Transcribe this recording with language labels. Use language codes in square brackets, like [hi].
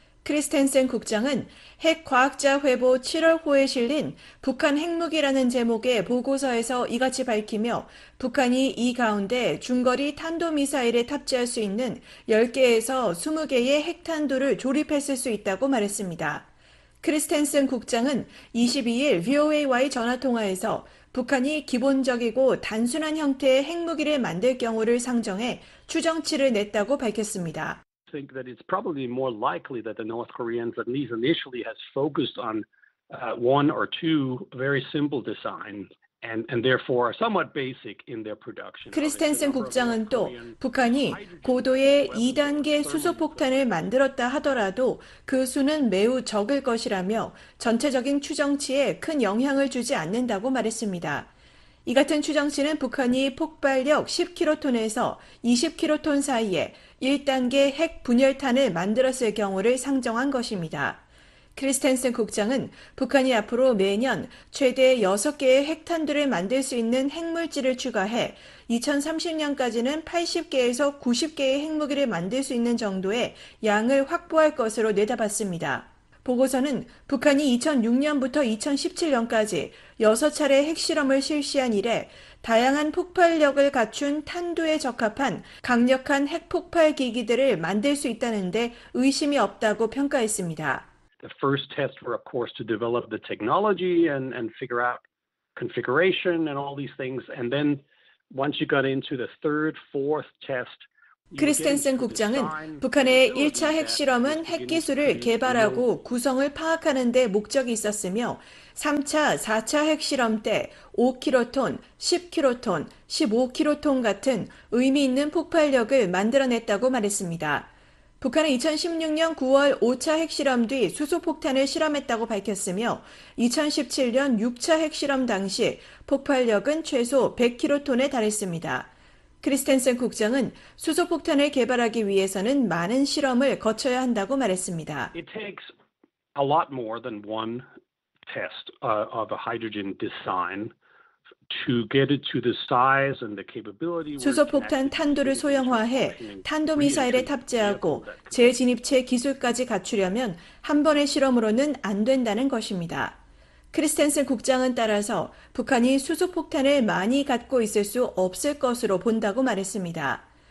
[ko] 크리스텐슨 국장은 핵과학자 회보 7월호에 실린 북한 핵무기라는 제목의 보고서에서 이같이 밝히며 북한이 이 가운데 중거리 탄도미사일에 탑재할 수 있는 10개에서 20개의 핵탄두를 조립했을 수 있다고 말했습니다. 크리스텐슨 국장은 22일 VOA와의 전화통화에서 북한이 기본적이고 단순한 형태의 핵무기를 만들 경우를 상정해 추정치를 냈다고 밝혔습니다. [en] I think that it's probably more likely that the North Koreans at least initially has focused on one or two very simple designs. And therefore are somewhat basic in their production. [ko] 크리스텐슨 국장은 또 북한이 고도의 2단계 수소폭탄을 만들었다 하더라도 그 수는 매우 적을 것이라며 전체적인 추정치에 큰 영향을 주지 않는다고 말했습니다. 이 같은 추정치는 북한이 폭발력 10킬로톤에서 20킬로톤 사이에 1단계 핵 분열탄을 만들었을 경우를 상정한 것입니다. 크리스텐슨 국장은 북한이 앞으로 매년 최대 6개의 핵탄두를 만들 수 있는 핵물질을 추가해 2030년까지는 80개에서 90개의 핵무기를 만들 수 있는 정도의 양을 확보할 것으로 내다봤습니다. 보고서는 북한이 2006년부터 2017년까지 6차례 핵실험을 실시한 이래 다양한 폭발력을 갖춘 탄두에 적합한 강력한 핵폭발 기기들을 만들 수 있다는 데 의심이 없다고 평가했습니다. [en] The first tests were, of course, to develop the technology and figure out configuration and all these things. And then once you got into the third, fourth test, [ko] 크리스텐슨 국장은 북한의 1차 핵실험은 핵기술을 개발하고 구성을 파악하는 데 목적이 있었으며 3차, 4차 핵실험 때 5킬로톤, 10킬로톤, 15킬로톤 같은 의미 있는 폭발력을 만들어냈다고 말했습니다. 북한은 2016년 9월 5차 핵실험 뒤 수소폭탄을 실험했다고 밝혔으며 2017년 6차 핵실험 당시 폭발력은 최소 100킬로톤에 달했습니다. 크리스텐슨 국장은 수소폭탄을 개발하기 위해서는 많은 실험을 거쳐야 한다고 말했습니다. [en] It takes a lot more than one test of a hydrogen design. To get it to the size and the capability, [ko] 수소폭탄 탄도를 소형화해 탄도미사일에 탑재하고 재진입체 기술까지 갖추려면 한 번의 실험으로는 안 된다는 것입니다. 크리스텐슨 국장은 따라서 북한이 수소폭탄을 많이 갖고 있을 수 없을 것으로 본다고 말했습니다.